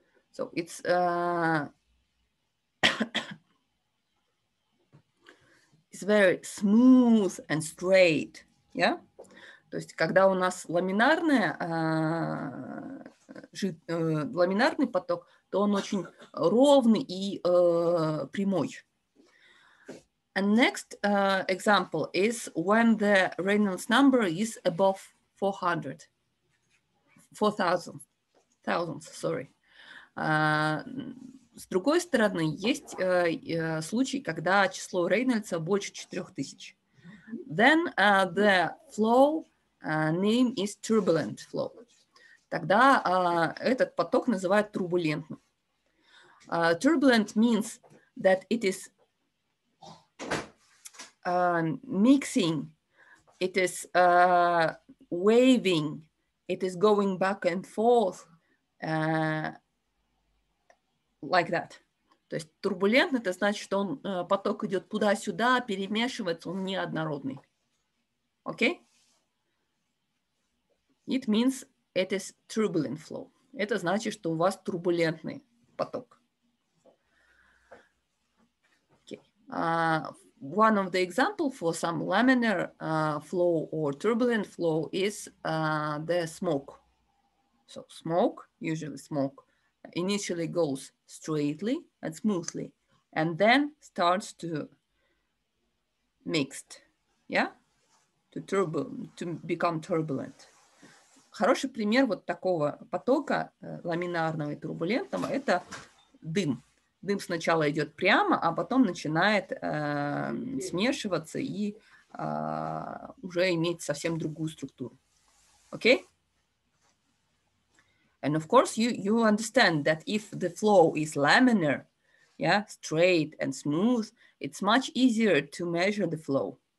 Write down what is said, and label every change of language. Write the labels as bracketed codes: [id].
[en] So it's it's very smooth and straight, yeah. [ru] То есть когда у нас ламинарная ламинарный поток, то он очень ровный и прямой. [en] And next example is when the Reynolds number is above 400. 4000. [ru] С другой стороны, есть случай, когда число Рейнольдса больше 4000. [en] Then the flow name is turbulent flow. [ru] Тогда этот поток называют турбулентным. [en] Turbulent means that it is mixing, it is waving. It is going back and forth like that. [ru] То есть турбулентный, это значит, что он, поток идет туда-сюда, перемешивается, он неоднородный. Окей? [en] It means it is turbulent flow. [ru] Это значит, что у вас турбулентный поток. [en] Okay. One of the example for some laminar flow or turbulent flow is the smoke. So smoke, usually smoke, initially goes straightly and smoothly, and then starts to mixed, yeah, to become turbulent. [ru] Хороший пример вот такого потока ламинарного и турбулентного – это дым. Дым сначала идет прямо, а потом начинает смешиваться и уже иметь совсем другую структуру. Окей? Okay? [en] And of course you understand that if the flow is laminar, yeah, straight and smooth, it's much easier to measure the flow.